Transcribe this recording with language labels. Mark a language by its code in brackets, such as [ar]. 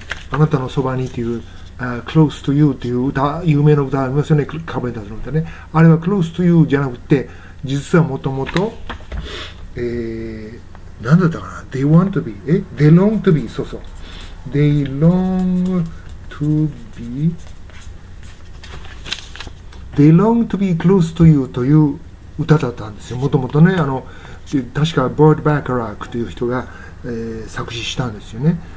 [ja] あなたのそばにっていう、Close to You っていう歌、有名な歌ありますよね、カーペンターズの歌ね。あれは Close to You じゃなくて、実はもともと、何だったかな、 [en] They want to be、They long to be、 [ja] そうそう。 [en] They long to be、They long to be close to you [ja] という歌だったんですよ、もともとね。確か、ボード・バカラックという人が、作詞したんですよね。